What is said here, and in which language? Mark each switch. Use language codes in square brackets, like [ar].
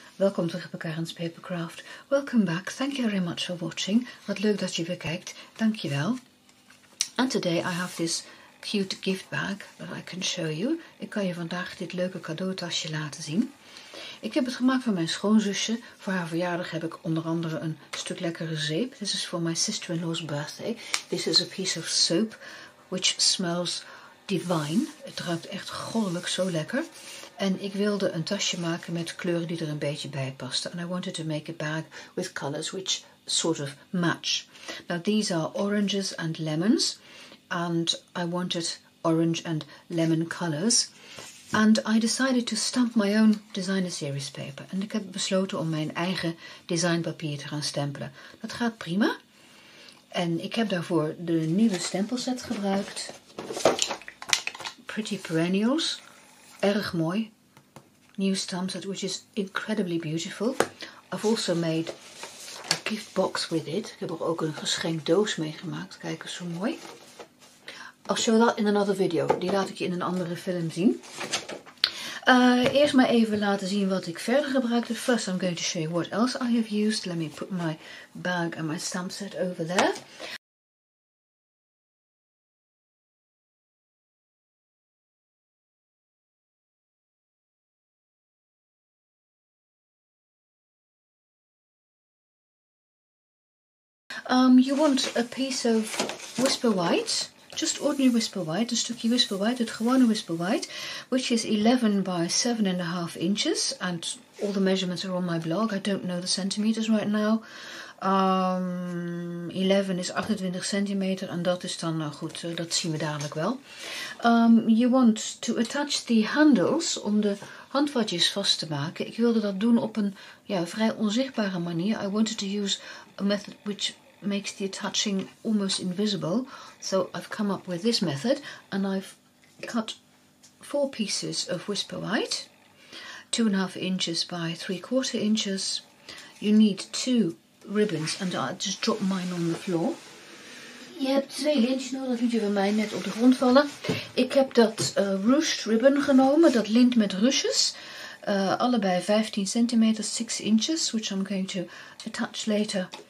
[nl] Welkom terug bij Karen's Papercraft. [en] Welcome back. Thank you very much for watching. [nl] Wat leuk dat je weer kijkt. Dank je wel. [en] And today I have this cute gift bag that I can show you. [nl] Ik kan je vandaag dit leuke cadeautasje laten zien. Ik heb het gemaakt voor mijn schoonzusje. Voor haar verjaardag heb ik onder andere een stuk lekkere zeep. [en] This is for my sister-in-law's birthday. This is a piece of soap which smells divine. [nl] Het ruikt echt goddelijk zo lekker. En ik wilde een tasje maken met kleuren die er een beetje bij pasten. [en] And I wanted to make a bag with colors which sort of match. Now these are oranges and lemons. And I wanted orange and lemon colors. And I decided to stamp my own designer series paper. [nl] En ik heb besloten om mijn eigen designpapier te gaan stempelen. Dat gaat prima. En ik heb daarvoor de nieuwe stempelset gebruikt. [en] Pretty Perennials. [nl] Erg mooi. [en] New stamp set, which is incredibly beautiful. I've also made a gift box with it. [nl] Ik heb er ook een geschenkdoos mee gemaakt. Kijk eens hoe mooi. [en] I'll show that in another video. [nl] Die laat ik je in een andere film zien. Eerst maar even laten zien wat ik verder gebruikte. [en] First I'm going to show you what else I have used. Let me put my bag and my stamp set over there. You want a piece of Whisper White, just ordinary Whisper White, [nl] een stukje Whisper White, [en] het gewone Whisper White, which is 11 by 7.5 inches, and all the measurements are on my blog, I don't know the centimeters right now. [nl] 11 is 28 centimeter, en dat is dan, nou goed, dat zien we dadelijk wel. [en] You want to attach the handles, [nl] om de handvatjes vast te maken. Ik wilde dat doen op een vrij onzichtbare manier. [en] I wanted to use a method which makes the attaching almost invisible. So I've come up with this method and I've cut 4 pieces of Whisper White, 2.5 inches by 3/4 inches. You need 2 ribbons and I just drop mine on the floor. [nl] Je hebt 2 lint nodig, dat liet je van mij net op de grond vallen. Ik heb dat ruched ribbon genomen, dat lint met ruches. Allebei 15 centimeter, [en] 6 inches, which I'm going to attach later.